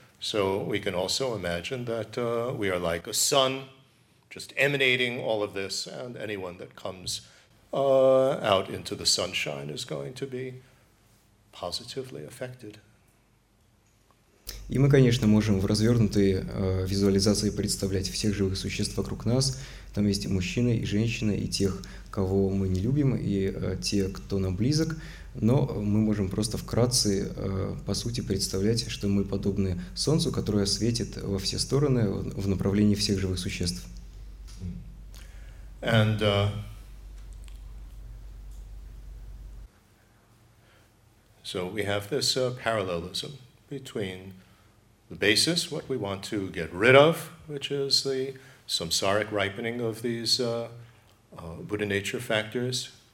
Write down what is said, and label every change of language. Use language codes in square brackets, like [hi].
[en] So we can also imagine that we are like a sun just emanating all of this, and anyone that comes out into the sunshine is going to be positively affected. [ru] И мы, конечно, можем в развернутой визуализации представлять всех живых существ вокруг нас. Там есть и мужчины, и женщины, и тех, кого мы не любим, и те, кто нам близок. Но мы можем просто вкратце, по сути, представлять, что мы подобны солнцу, которое светит во все стороны в направлении всех живых существ. [en] And so we have this parallelism between the basis, what we want to get rid of, which is the samsaric ripening of these Buddha nature factors.